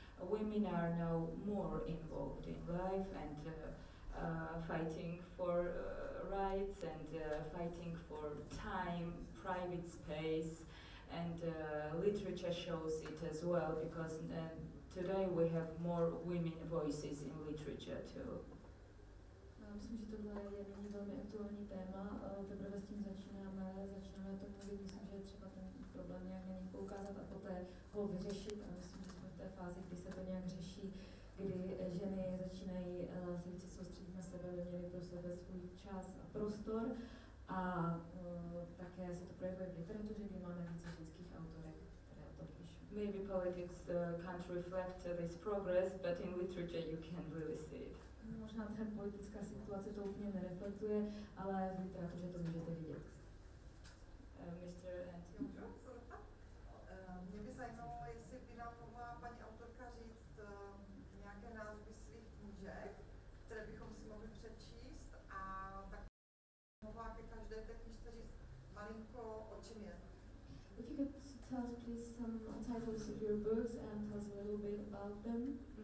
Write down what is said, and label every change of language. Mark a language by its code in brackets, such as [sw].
[en] Women are now more involved in life and fighting for rights and fighting for time, private space, and literature shows it as well, because today we have more women voices in literature too. [cs] Myslím, že tohle je nyní velmi aktuální téma, teprve s tím začínáme to mluvit. Myslím, že je třeba ten problém nějak na něj poukázat a poté ho vyřešit, a myslím, že jsme v té fázi, kdy se to nějak řeší, kdy ženy začínají se více soustředit na sebe, aby měly pro sebe svůj čas a prostor, a také se to projevuje v literatuře, kdy máme více ženských autorek, které o tom píšou. [en] Maybe politics can't reflect this progress, but in literature you can really see it. [cs] Možná ta politická situace to úplně nereflektuje, ale v literatuře to můžete vidět. [en] Mr. Antio. [cs] Mě by zajímalo, jestli by nám mohla paní autorka říct nějaké názvy svých knížek, které bychom si mohli přečíst, a tak mohla ke každé té knížce říct malinko, o čem je. [en] If you could tell us please some titles of your books and tell us a little bit about them.